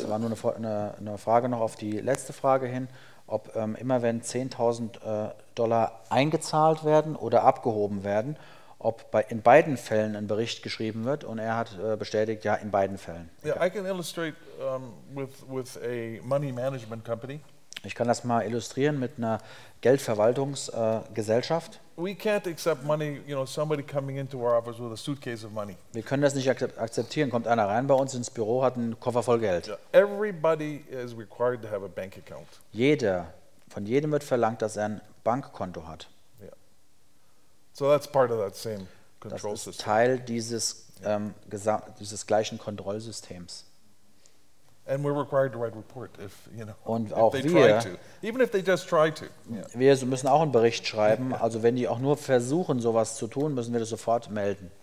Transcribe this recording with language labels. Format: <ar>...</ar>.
<de>Es war nur eine Frage noch auf die letzte Frage hin, ob immer wenn $10,000 eingezahlt werden oder abgehoben werden, ob in beiden Fällen ein Bericht geschrieben wird, und er hat bestätigt, ja, in beiden Fällen.</de> <en>Yeah, I can illustrate with a money management company.</en> <de>Ich kann das mal illustrieren mit einer Geldverwaltungsgesellschaft.</de> <en>We can't accept money, you know, somebody coming into our office with a suitcase of money.</en> <de>Wir können das nicht akzeptieren, kommt einer rein bei uns ins Büro, hat einen Koffer voll Geld.</de> <en>Yeah. Everybody is required to have a bank account.</en> <de>Jeder, von jedem wird verlangt, dass er ein Bankkonto hat.</de> <en>So that's part of that same control system.</en> <de>Das ist Teil dieses gleichen Kontrollsystems.</de> <en>And we're required to write report if, you know.</en> <de>Und auch</de> <en>if they</en> <de>wir,</de> <en>try to. Even if they just try to. Yeah.</en> <de>Wir müssen auch einen Bericht schreiben, also wenn die auch nur versuchen sowas zu tun, müssen wir das sofort melden.</de>